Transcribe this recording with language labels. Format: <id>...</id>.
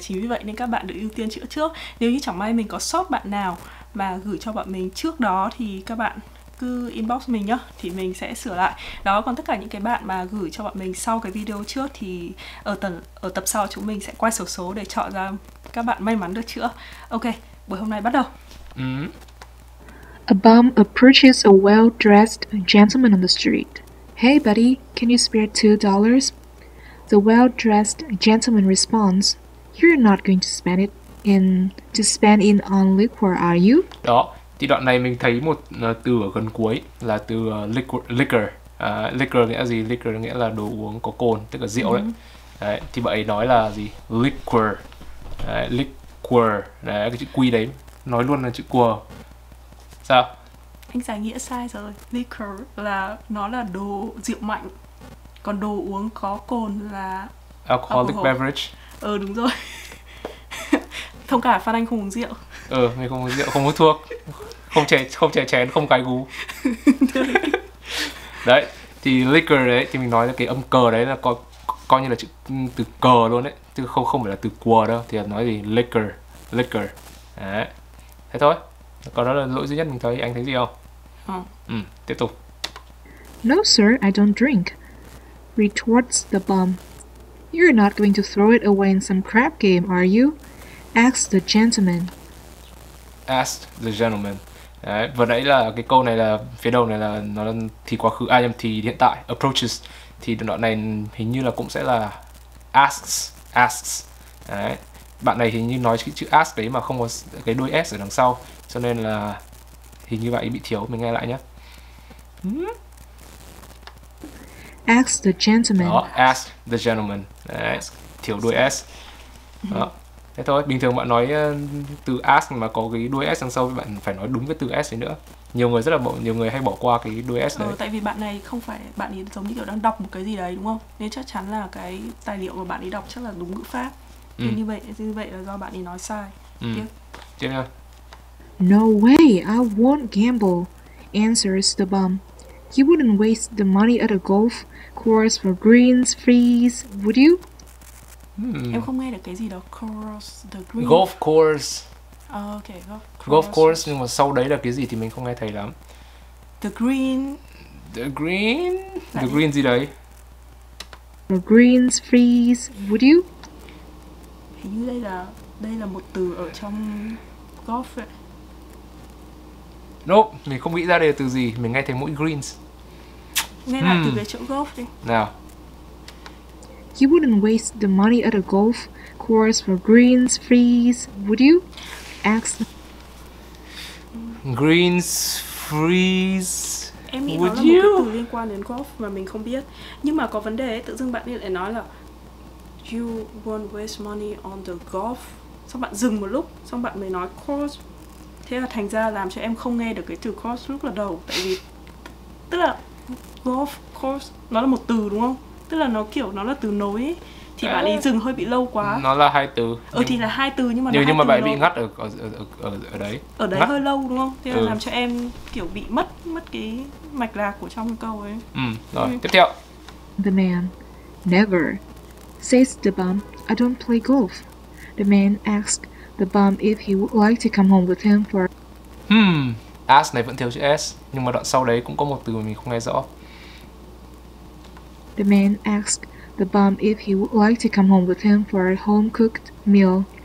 <vi>Chính vì vậy nên các bạn được ưu tiên chữa trước. Nếu như chẳng may mình có sót bạn nào mà gửi cho bọn mình trước đó thì các bạn cứ inbox mình nhá, thì mình sẽ sửa lại. Đó, còn tất cả những cái bạn mà gửi cho bọn mình sau cái video trước thì ở tập sau chúng mình sẽ quay sổ số để chọn ra các bạn may mắn được chữa. Ok, buổi hôm nay bắt đầu.</vi> <en>A bum approaches a well-dressed gentleman on the street. Hey buddy, can you spare $2? The well-dressed gentleman responds, you're not going to spend it in to spend in on liquor, are you?</en> <vi>Đó, thì đoạn này mình thấy một từ ở gần cuối là từ liquor. Liquor nghĩa gì? Liquor nghĩa là đồ uống có cồn, tức là rượu đấy. Đấy, thì bà ấy nói là gì? Liquor. Đấy, liquor. Đấy, cái chữ quy đấy nói luôn là chữ cua. Sao? Anh giải nghĩa sai rồi. Liquor là nó là đồ rượu mạnh. Còn đồ uống có cồn là</vi> <en>alcoholic beverage.</en> <vi>Ừ, đúng rồi. Thông cảm, Phan Anh không uống rượu. Ừ, mình không uống rượu, không hút thuốc. Không chè chén, không cái gú. Đấy, thì liquor đấy thì mình nói là cái âm cờ đấy là coi như là chữ từ cờ luôn đấy, chứ không phải là từ cua đâu, thì nói gì liquor. Đấy. Thế thôi. Còn đó là lỗi duy nhất mình thấy, anh thấy gì không? Không. Ừ, tiếp tục.</vi> <en>No sir, I don't drink. Retorts the bum. You're not going to throw it away in some crap game, are you? Asked the gentleman. Asked the gentleman.</en> <vi>Đấy, vừa nãy là cái câu này là phía đầu này là nó là thì quá khứ, thì hiện tại, approaches, thì đoạn này hình như là cũng sẽ là asks. Đấy, bạn này hình như nói cái chữ ask đấy mà không có cái đuôi s ở đằng sau, cho nên là hình như bạn ấy bị thiếu. Mình nghe lại nhé.</vi> <en>Ask the gentleman.</en> <vi>Đó,</vi> <en>ask the gentleman.</en> <vi>Đấy, thiếu đuôi s. Đó. Thế thôi, bình thường bạn nói từ ask mà có cái đuôi s đằng sau, bạn phải nói đúng cái từ s đấy nữa. Nhiều người hay bỏ qua cái đuôi s đấy. Tại vì bạn này không phải, bạn ấy giống như kiểu đang đọc một cái gì đấy đúng không? Nên chắc chắn là cái tài liệu mà bạn ấy đọc chắc là đúng ngữ pháp. Như vậy là do bạn ấy nói sai. Tiếp nha.</vi> <en>No way, I won't gamble, answers the bum. You wouldn't waste the money at a golf course for greens, fees, would you?</en> <vi>Em không nghe được cái gì đó.</vi> <en>Course, the green. Golf course. Okay, golf course.</en> <vi>Nhưng mà sau đấy là cái gì thì mình không nghe thấy lắm.</vi> <en>The green.</en> <vi>Là the gì? Green gì đấy?</vi> <en>The greens, fees, would you?</en> <vi>Hình như đây là một từ ở trong golf ấy. Nope, mình không nghĩ ra đây là từ gì. Mình nghe thấy mỗi greens. Nghe lại từ về chỗ golf đi. Nào.</vi> <en>You wouldn't waste the money at a golf course for greens, fees, would you? Ask them. Greens, fees,</en> <vi>em nghĩ</vi> <en>would</en> <vi>đó là</vi> <en>you?</en> <vi>Một cái từ liên quan đến golf mà mình không biết. Nhưng mà có vấn đề ấy, tự dưng bạn lại nói là</vi> <en>you won't waste money on the golf.</en> <vi>Xong bạn dừng một lúc, xong bạn mới nói course. Thế là thành ra làm cho em không nghe được cái từ course lúc là đầu. Tại vì, tức là golf course, nó là một từ đúng không? Tức là nó kiểu nó là từ nối ấy. Thì bạn ấy dừng hơi bị lâu quá. Nó là hai từ. Thì là hai từ nhưng mà nhưng mà bạn bị ngắt ở đấy. Ở đấy ngắt. Hơi lâu đúng không? Thế là làm cho em kiểu bị mất cái mạch lạc của trong câu ấy. Tiếp theo.</vi> <en>The man, never, says the bum, I don't play golf. The man asks the bum if he would like to come home with him for.</en> <vi>Ask này vẫn thiếu chữ s, nhưng mà đoạn sau đấy cũng có một từ mà mình không nghe rõ.</vi> <en>The man asked the bum if he would like to come home with him for a home-cooked meal.</en>